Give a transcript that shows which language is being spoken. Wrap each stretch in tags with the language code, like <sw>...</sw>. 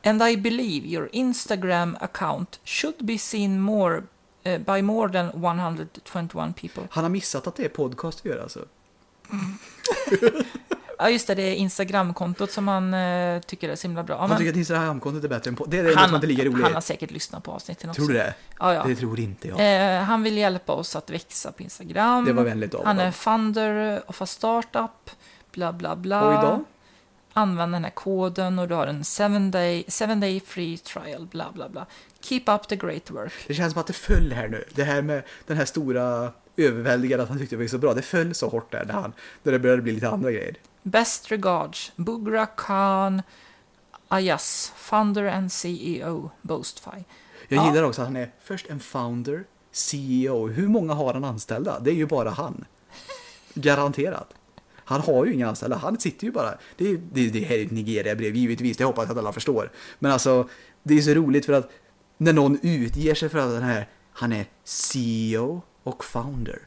<en>And I believe your Instagram account should be seen more by more than 121 people.</en> <sv>Han har missat att det är podcast vi gör alltså. Ja, just det är Instagram-kontot som han tycker är så himla bra. Han tycker att Instagram-kontot är bättre än podcast. Det är han, inte ligger roligt. Han har säkert lyssnat på avsnitten också. Tror du det? Ja, ja. Det tror inte jag. Han vill hjälpa oss att växa på Instagram. Det var vänligt av honom. Han är</sv> <en>founder of a startup,</en> <sv>bla bla bla. Och idag? Använd den här koden och du har en</sv> <en>7-day free trial,</en> <sv>bla bla bla.</sv> <en>Keep up the great work.</en> <sv>Det känns som att det föll här nu. Det här med den här stora överväldigande att han tyckte det var så bra. Det föll så hårt där när det började bli lite andra grejer.</sv> <en>Best regards, Bugra Khan Ayas, founder and CEO, Boostify.</en> <sv>Jag gillar också att han är först en founder, CEO. Hur många har han anställda? Det är ju bara han. Garanterat. Han har ju inga anställda. Han sitter ju bara... Det här är ett Nigeria-brev, givetvis. Det hoppas jag att alla förstår. Men alltså, det är så roligt för att när någon utger sig för att den här, han är CEO och founder.</sv>